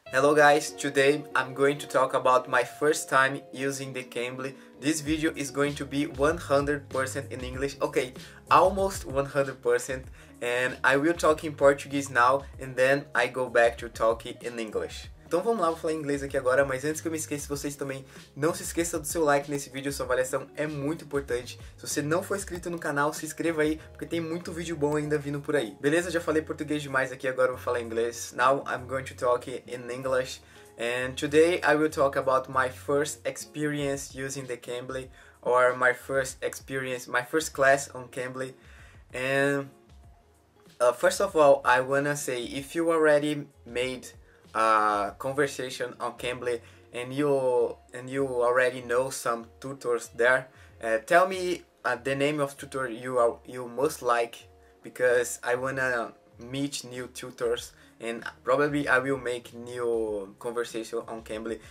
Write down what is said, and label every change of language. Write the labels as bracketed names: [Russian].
[English] Hello guys, today I'm going to talk about my first time using the Cambly. This video is going to be 100% in English, okay, almost 100%, and I will talk in Portuguese now and then I go back to talking in English. [Portuguese] Então vamos lá, vou falar em inglês aqui agora, mas antes que eu me esqueça, vocês também não se esqueçam do seu like nesse vídeo, sua avaliação é muito importante. Se você não for inscrito no canal, se inscreva aí, porque tem muito vídeo bom ainda vindo por aí. Beleza? Já falei português demais aqui, agora vou falar em inglês. [English] Now I'm going to talk in English, and today I will talk about my first experience using the Cambly, or my first experience, my first class on Cambly, and first of all, I wanna say, if you already made a conversation on Cambly and you already know some tutors there, tell me the name of tutor you most like, because I wanna meet new tutors and probably I will make new conversation on Cambly.